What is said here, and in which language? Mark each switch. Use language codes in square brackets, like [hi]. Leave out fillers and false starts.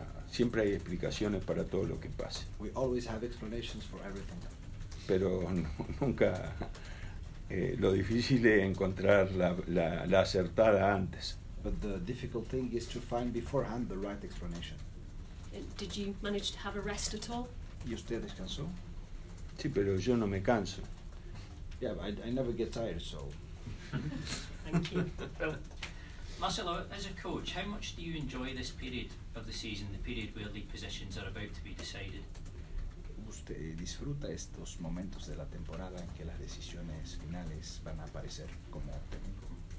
[es] Siempre hay explicaciones para todo lo que pase. [en] We always have explanations for everything. [es] Pero nunca lo difícil es encontrar la acertada antes. [en] But the difficult thing is to find beforehand the right explanation. Did you manage to have a rest at all? [es] ¿Y usted descansó? Sí, pero yo no me canso. [en] Yeah, but I never get tired, so... Thank you. Marcelo, as a coach, how much do you enjoy this period of the season, the period where league positions are about to be decided? [es] ¿Usted disfruta estos momentos de la temporada en que las decisiones finales van a aparecer como técnico?